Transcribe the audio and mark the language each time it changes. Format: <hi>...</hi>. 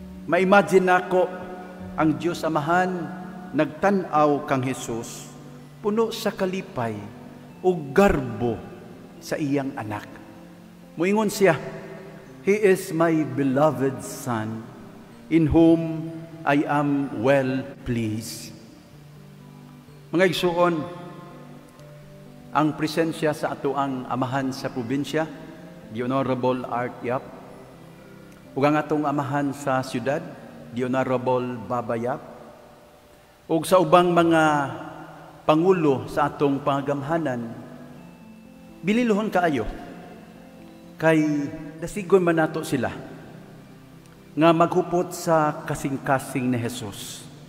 <ceb>Maimagine ako ang Diyos Amahan nagtan-aw kang Jesus puno sa kalipay o garbo sa iyang anak. Muingon siya,</ceb> <en>"He is my beloved son in whom I am well pleased."</en> <ceb>Mga igsuon, ang presensya sa atuang amahan sa probinsya, the Honorable Art Yap, ug ang atong amahan sa siyudad, the Honorable Baba Yap, ug sa ubang mga pangulo sa atong pangagamhanan, bililuhon kaayo kay nasigon man nato sila nga maghupot sa kasing-kasing ni Jesus.</ceb>